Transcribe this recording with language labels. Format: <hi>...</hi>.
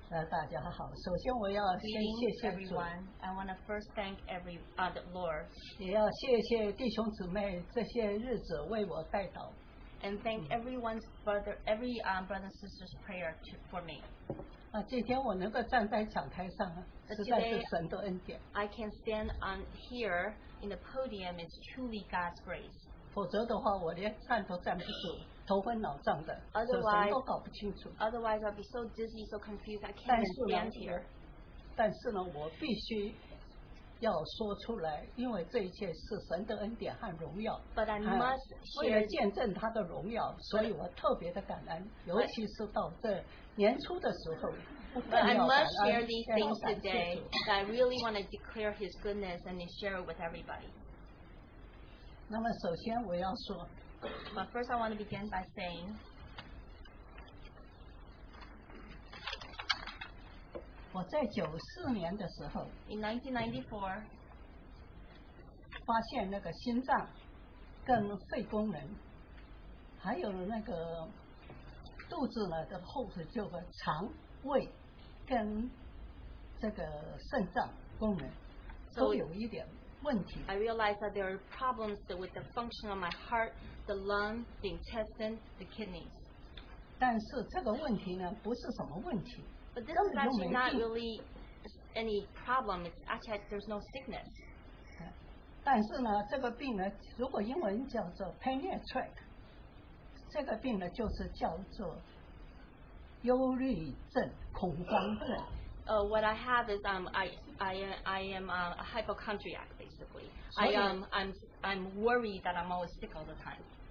<zh>大家好，首先我要先谢谢主。</zh> <en>I want to first thank every the Lord.</en> <zh>也要谢谢弟兄姊妹这些日子为我代祷。</zh> <en>and thank everyone's brother, every brother and sister's prayer to, for me. I can stand on here in the podium, it's truly God's grace.</en> <zh>否则的话, 我连站都站不住, 头昏脑胀的,</zh> <en>otherwise I'll be so dizzy, so confused, I can't stand here.</en> <zh>但是呢, 我必须 要说出来, 因为这一切是神的恩典和荣耀,</zh> <en>but I must share</en> <zh>为了见证他的荣耀, 所以我特别的感恩, 尤其是到这年初的时候,</zh> <en>but I must share these things today that I really want to declare his goodness and share it with everybody.</en> <zh>那么首先我要说,</zh> <en>but first I want to begin by saying,</en> <zh>我在94年的时候,</zh> <en>in 1994,</en> <zh>发现那个心脏跟肺功能, 还有那个肚子的后腿就肠胃跟这个肾脏功能, 都有一点问题。</zh> <en>I realized that there are problems with the function of my heart, the lung, the intestine, the kidneys.</en> <zh>但是这个问题呢, 不是什么问题。</zh> <en>But this is actually not really any problem. It's actually there's no sickness.</en> <zh>但是呢，这个病呢，如果英文叫做 panic，这个病呢就是叫做忧虑症、恐慌症。</zh> <en>What I have is I am a hypochondriac basically. I'm worried that I'm always sick all the time.</en>